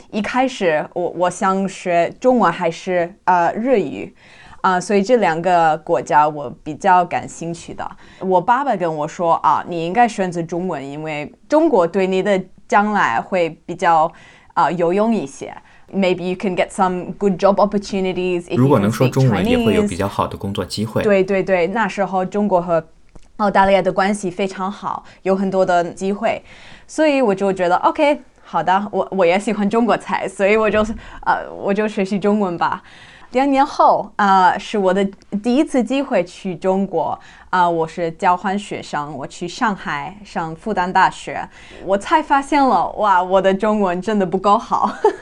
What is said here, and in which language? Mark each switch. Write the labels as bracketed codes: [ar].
[zh] 一开始我想学中文还是日语，所以这两个国家我比较感兴趣的。我爸爸跟我说啊，你应该选择中文，因为中国对你的将来会比较有用一些。 [en] Maybe you can get some good job opportunities. [zh] 如果能说中文，也会有比较好的工作机会。对对对，那时候中国和澳大利亚的关系非常好，有很多的机会，所以我就觉得 OK， 好的，我也喜欢中国菜，所以我就学习中文吧。两年后，是我的第一次机会去中国，我是交换学生，我去上海上复旦大学，我才发现了，哇，我的中文真的不够好，